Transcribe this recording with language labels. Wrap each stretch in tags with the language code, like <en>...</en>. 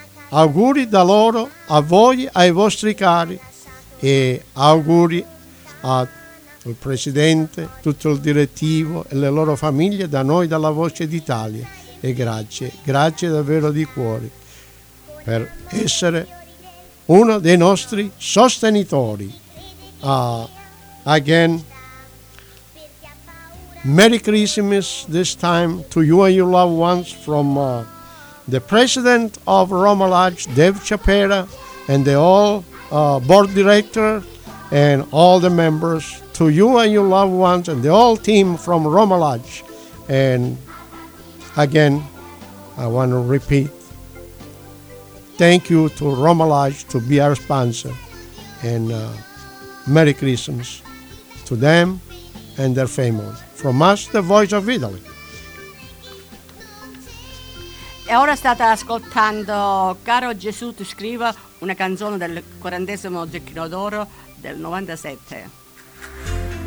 <it>Auguri da loro a voi, ai vostri cari, e auguri al presidente, tutto il direttivo e le loro famiglie da noi, dalla Voce d'Italia. E grazie, grazie davvero di cuore per essere uno dei nostri sostenitori.</it> <en>Again, Merry Christmas this time to you and your loved ones from the president of Roma Lodge, Dave Chapera, and the all board director and all the members, to you and your loved ones and the whole team from Roma Lodge. And again, I want to repeat, thank you to Roma Lodge to be our sponsor, and Merry Christmas to them and their family. From us, the Voice of Italy.</en> <it>E ora state ascoltando Caro Gesù ti scriva, una canzone del 40° Gecchino d'Oro del 97.</it>